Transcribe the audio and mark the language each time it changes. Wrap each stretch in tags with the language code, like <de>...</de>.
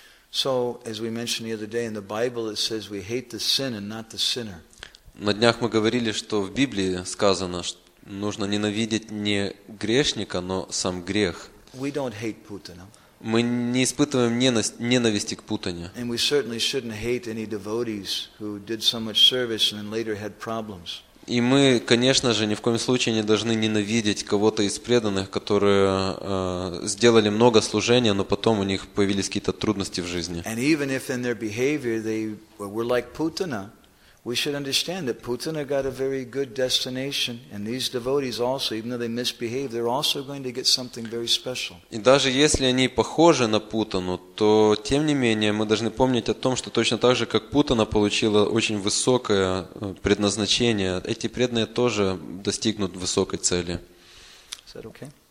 <en>So, as we mentioned the other day in the Bible, it says we hate the sin and not the sinner.</en> <ru>На днях мы говорили, что в Библии сказано, что нужно ненавидеть не грешника, но сам грех.</ru> <en>We don't hate Putana.</en> <ru>Мы не испытываем ненависти к Путане.</ru> <en>And we certainly shouldn't hate any devotees who did so much service and then later had problems.</en> <ru>И мы, конечно же, ни в коем случае не должны ненавидеть кого-то из преданных, которые сделали много служения, но потом у них появились какие-то трудности в жизни.</ru> <en>And even if in their behavior they were like Putana, we should understand that Putana got a very good destination, and these devotees also, even though they misbehave, they're also going to get something very special.</en> <ru>И даже если они похожи на Путану, то тем не менее мы должны помнить о том, что точно так же, как Путана получила очень высокое предназначение, эти преданные тоже достигнут высокой цели.</ru> <en>Is that okay?</en>